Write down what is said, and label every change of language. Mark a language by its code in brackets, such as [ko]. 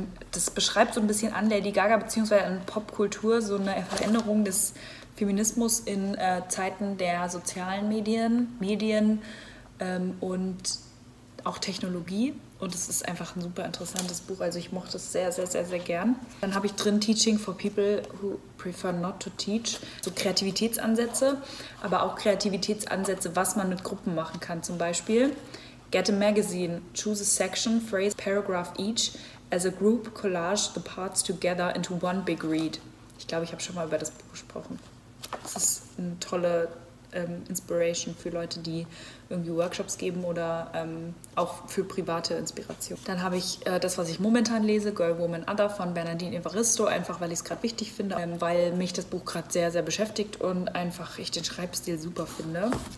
[de] Das beschreibt so ein bisschen an Lady Gaga bzw. an Popkultur so eine Veränderung des Feminismus in Zeiten der sozialen Medien und auch Technologie. Und es ist einfach ein super interessantes Buch. Also ich mochte es sehr, sehr, sehr, sehr gern. Dann habe ich drin Teaching for People Who Prefer Not to Teach. So Kreativitätsansätze, aber auch Kreativitätsansätze, was man mit Gruppen machen kann. Zum Beispiel [en] Get a Magazine, Choose a Section, Phrase, Paragraph Each. As a group, collage the parts together into one big read. [de] Ich glaube, ich habe schon mal über das Buch gesprochen. Das ist eine tolle Inspiration für Leute, die irgendwie Workshops geben oder auch für private Inspiration. Dann habe ich das, was ich momentan lese, Girl, Woman, Other von Bernardine Evaristo, einfach weil ich es gerade wichtig finde, weil mich das Buch gerade sehr, sehr beschäftigt und einfach ich den Schreibstil super finde.